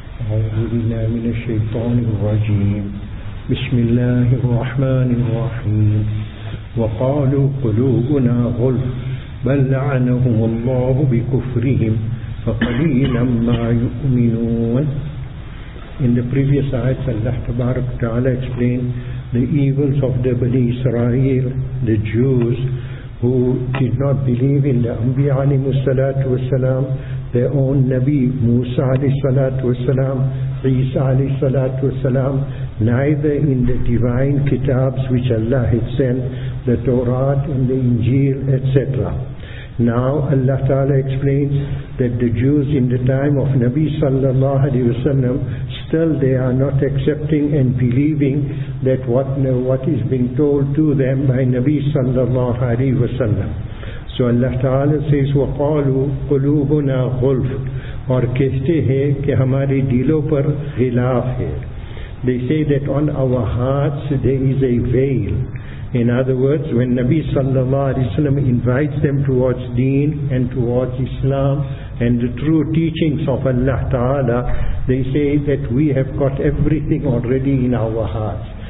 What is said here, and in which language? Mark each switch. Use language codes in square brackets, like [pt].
[ar] أعوذ بالله من الشيطان الرجيم. بسم الله الرحمن الرحيم. وقالوا قلوبنا غلف بل لعنهم الله بكفرهم فقليلا ما يؤمنون. [en] In the previous ayat, Allah Tabarak Ta'ala explained the evils of the Bani Israel, the Jews, who did not believe in the Anbiya alayhi salatu wasalam, their own Nabi Musa alayhi salatu wasalam, Isa alayhi salatu wasalam, neither in the divine kitabs which Allah had sent, the Torah and the Injil, etc. Now Allah Ta'ala explains that the Jews in the time of Nabi sallallahu alayhi wasalam, still they are not accepting and believing that what is being told to them by Nabi sallallahu alayhi wasallam. So Allah Ta'ala says, [ar] وَقَالُوا قُلُوبُنَا غُلْفٌ, [ur] اور کہتے ہیں کہ ہمارے دلوں پر غلاف ہے. [en] They say that on our hearts there is a veil. In other words, when Nabi sallallahu alayhi wasallam invites them towards deen and towards Islam and the true teachings of Allah Ta'ala, they say that we have got everything already in our hearts.